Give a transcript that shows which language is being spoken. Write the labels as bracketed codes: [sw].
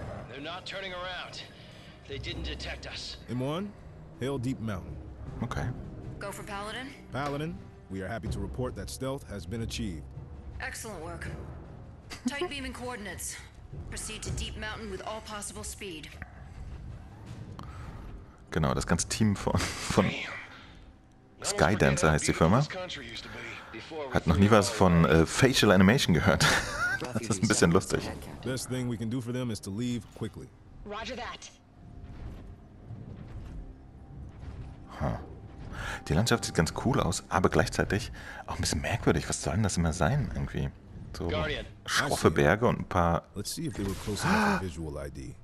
[en] They're not turning around. They didn't detect us. M1, hail Deep Mountain. Okay. Go for Paladin. Paladin, we are happy to report that stealth has been achieved. Excellent work. Tight beaming coordinates. Proceed to Deep Mountain with all possible speed. [de] Genau, das ganze Team von Skydancer heißt die Firma. Hat noch nie was von Facial Animation gehört. Das ist ein bisschen lustig. [en] Best thing we can do for them is to leave quickly. Roger that. [de] Die Landschaft sieht ganz cool aus, aber gleichzeitig auch ein bisschen merkwürdig. Was sollen das immer sein, irgendwie? So schroffe Berge und ein paar. [en] Let's see if they were close enough for visual ID.